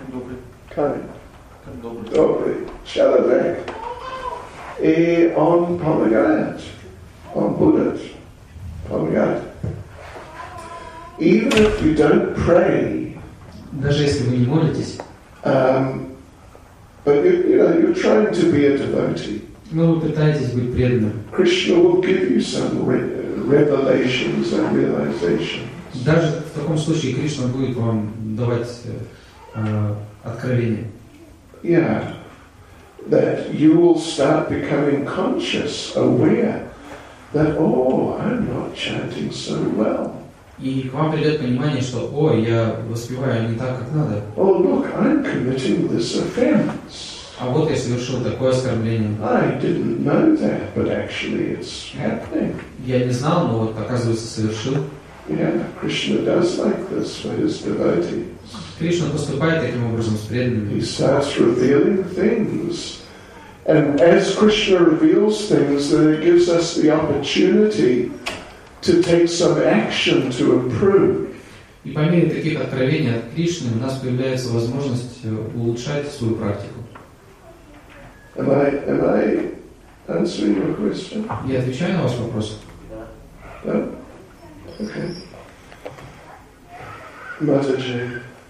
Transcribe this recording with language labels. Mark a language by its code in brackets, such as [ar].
[ru] Добрый. [en] Kind. [ru] Добрый. Добрый человек. И он помогает. Он будет помогать. [en] Even if you don't pray. [ru] Даже если вы не молитесь. [en] But you know, you're trying to be a devotee. [ru] Но вы пытаетесь быть преданным. [en] Krishna will give you some revelations and realizations. [ru] Даже в таком случае Кришна будет вам давать откровение. [en] Yeah. That you will start becoming conscious, aware that I'm not chanting so well. [ru] И к вам придет понимание, что я воспеваю не так, как надо. [en] Oh look, I'm committing this offense. [ru] А вот я совершил такое оскорбление. [en] I didn't know that, but actually it's happening. [ru] Я не знал, но вот, оказывается, совершил. [en] Yeah, Krishna does like this for his devotees. [ru] Кришна поступает таким образом с преданными. [en] He starts revealing things. And as Krishna reveals things, then it gives us the opportunity to take some action to improve. [ru] И по мере таких откровений от Кришны у нас появляется возможность улучшать свою практику. [en] Am I answering your question? [ru] Я отвечаю на ваш вопрос. Да. Окей. Матаджи.